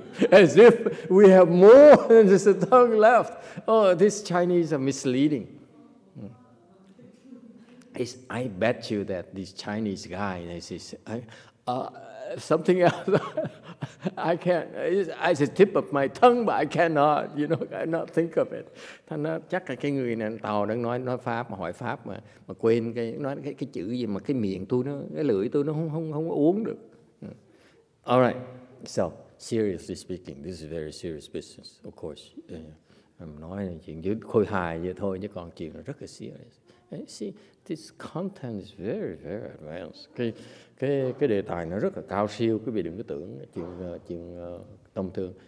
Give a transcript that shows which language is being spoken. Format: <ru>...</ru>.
<en>As if we have more than just a tongue left. Oh, these Chinese are misleading. I bet you that these Chinese guy, they say, something else. I can't. I said tip of my tongue, but I cannot. You know, I cannot think of it.</en> <vi>Thành ra chắc là cái người này tàu đang nói pháp mà hỏi pháp mà quên cái nói cái chữ gì mà cái miệng tôi nó cái lưỡi tôi nó không uống được.</vi> <en>All right. So seriously speaking, this is very serious business, of course.</en> <vi>I'm nói là chuyện dưới khôi hài vậy thôi, chứ còn chuyện rất là serious.</vi> <en>See, this content is very, very advanced.</en> <vi>Cái đề tài nó rất là cao siêu, quý vị đừng có tưởng chuyện tâm thương.</vi>